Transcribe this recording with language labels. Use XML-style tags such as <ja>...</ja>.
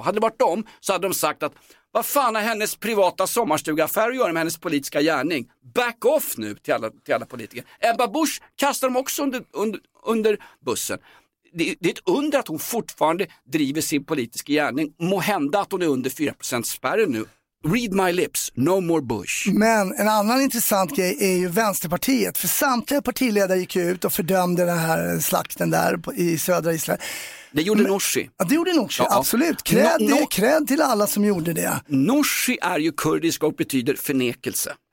<sv>Hade det varit dem så hade de sagt att vad fan har hennes privata sommarstugaffär att göra med hennes politiska gärning?</sv> <en>Back off</en> <sv>nu till alla politiker. Ebba Busch kastar dem också under bussen. Det är ett under att hon fortfarande driver sin politiska gärning. Må hända att hon är under 4% spärren nu.</sv> <en>Read my lips, no more Bush.</en> <sv>Men en annan intressant grej är ju Vänsterpartiet. För samtliga partiledare gick ut och fördömde den här slakten där i södra Israel. Det gjorde Nooshi. Ja, det gjorde Nooshi, absolut. Kred till alla som gjorde det. Nooshi är ju kurdisk och betyder förnekelse.</sv>